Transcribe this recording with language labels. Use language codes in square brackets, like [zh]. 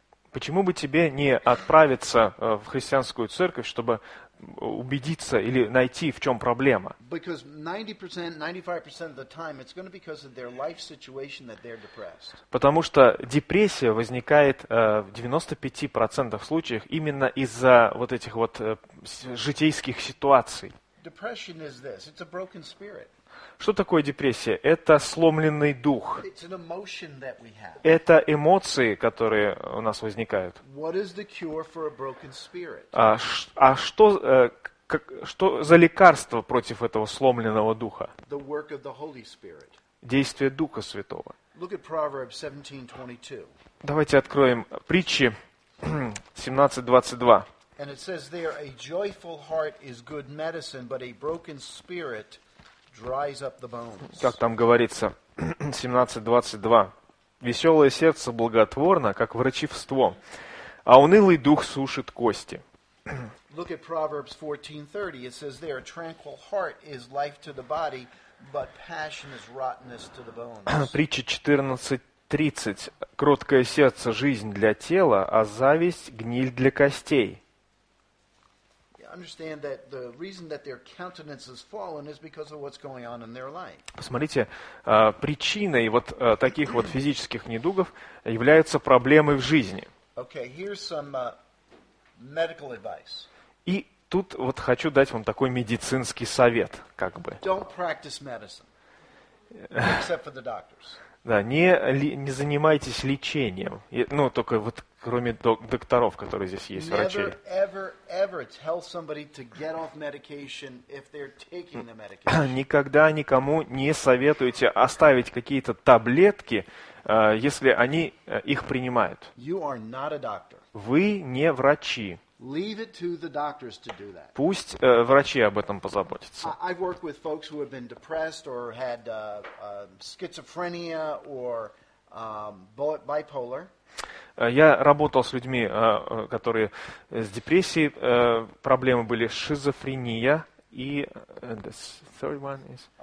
[ru] Почему бы тебе не отправиться в христианскую церковь, чтобы убедиться или найти, в чем проблема? [en] Because 90%, 95% of the time it's going to be because of their life situation that they're depressed. [ru] Потому что депрессия возникает в 95% случаев именно из-за вот этих вот житейских ситуаций. [en] Depression is this. It's a broken spirit. [ru] Что такое депрессия? Это сломленный дух. [en] It's an emotion that we have. [ru] Это эмоции, которые у нас возникают. [en] What is the cure for a broken spirit? [ru] Что за лекарство против этого сломленного духа? [en] The work of the Holy Spirit. [ru] Действие Духа Святого. [en] Look at Proverbs 17:22. [ru] Давайте откроем притчи 17:22. [en] And it says there, a joyful heart is good medicine, but a broken spirit dries up the bones. [ru] Как там говорится, 17:22. Веселое сердце благотворно, как врачевство, а унылый дух сушит кости. [en] Look at Proverbs 14:30. It says there, a tranquil heart is life to the body, but passion is rottenness to the bones. [ru] Притча 14:30. Кроткое сердце – жизнь для тела, а зависть – гниль для костей. [en] Understand that the reason that their countenance has fallen is because of what's going on in their life. [ru] Посмотрите, причиной вот таких вот физических недугов являются проблемы в жизни. [en] Okay, here's some medical advice. [ru] И тут вот хочу дать вам такой медицинский совет, как бы. [en] Don't practice medicine, except for the doctors. [ru] Да, не занимайтесь лечением. Ну, только вот кроме докторов, которые здесь есть, врачи. Никогда никому не советуйте оставить какие-то таблетки, если они их принимают. Вы не врачи. [en] Leave it to the doctors to do that. [ru] Пусть врачи об этом позаботятся. [en] I've worked with folks who have been depressed or had schizophrenia or bipolar. [ru] Я работал с людьми, которые с депрессией, проблемы были шизофрения и [en] the third one is